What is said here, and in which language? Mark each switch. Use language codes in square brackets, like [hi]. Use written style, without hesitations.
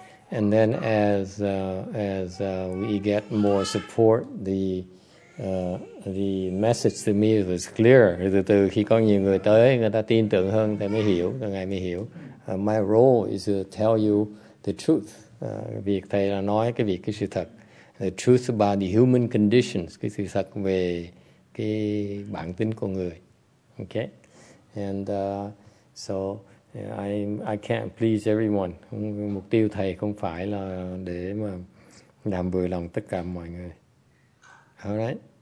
[en] And then as we get more support, the message to me was clearer. [vi] Từ từ khi có nhiều người tới, người ta tin tưởng hơn, thì mới hiểu, từ ngày mới hiểu. [en] My role is to tell you the truth. [vi] Việc thầy là nói cái việc cái sự thật. [en] The truth about the human conditions, [vi] cái sự thật về cái bản tính của người. Okay? [en] And so... I can't please everyone. [vi] Mục tiêu thầy không phải là để mà làm vừa lòng tất cả mọi người. All right.